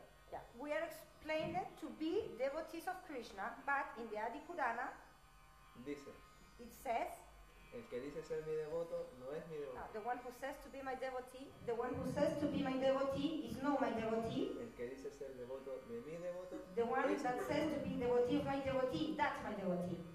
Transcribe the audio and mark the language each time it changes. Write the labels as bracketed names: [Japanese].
[English] Yeah. We are explained to be devotees of Krishna, but in the Adi Purana, it says, [Spanish] el que dice ser mi devoto no es mi devoto. [English] The one who says to be my devotee, the one who says to be my devotee is not my devotee. [Spanish] El que dice ser devoto de mi devoto. [English] The one that says to be devotee of my devotee, that's my devotee.